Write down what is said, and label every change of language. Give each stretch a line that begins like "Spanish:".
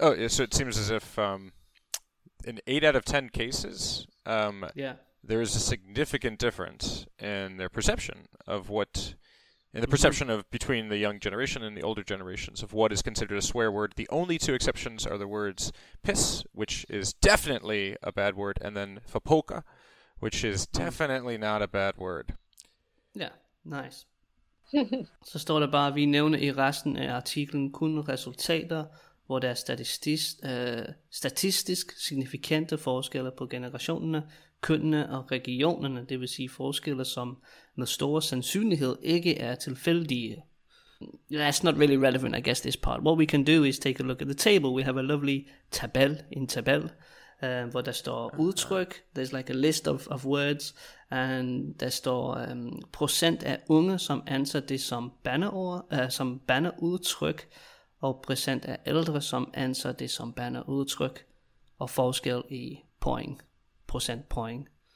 English: So it seems as if in 8 out of 10 cases, there is a significant difference in their perception of what, perception of between the young generation and the older generations of what is considered a swear word. The only two exceptions are the words piss, which is definitely a bad word, and then fapoka, which is definitely not a bad word. Yeah. Nice.
Danish: Så står der bare, at vi nævner i resten af artiklen kun resultater, hvor der er statistisk signifikante forskelle på generationerne, kønnene og regionerne, det vil sige forskelle, som med stor sandsynlighed ikke er tilfældige.
English: That's not really relevant, I guess, this part. What we can do is take a look at the table. We have a lovely tabel,
Danish: hvor der står udtryk,
English: there's like a list of words, and
Danish: der står procent af unge, som anser det som bandeord, som bandeudtryk, og procent af ældre, som anser det som bandeudtryk, og forskel i point, procent point.